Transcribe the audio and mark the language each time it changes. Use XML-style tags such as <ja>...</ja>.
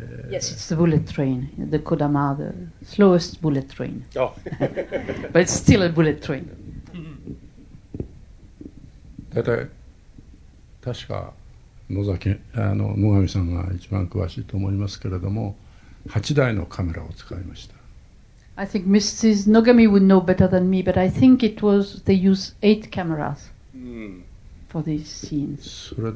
<en>Yes, it's the bullet train, the Kodama, the slowest bullet train. Oh. But it's still a bullet train.</en> <ja>だいたい確か野崎、野上さんが一番詳しいと思いますけれども、8台のカメラを使いました。</ja> <en>I think Mrs. Nogami would know better than me, but I think it was they used 8 cameras for these scenes.</en>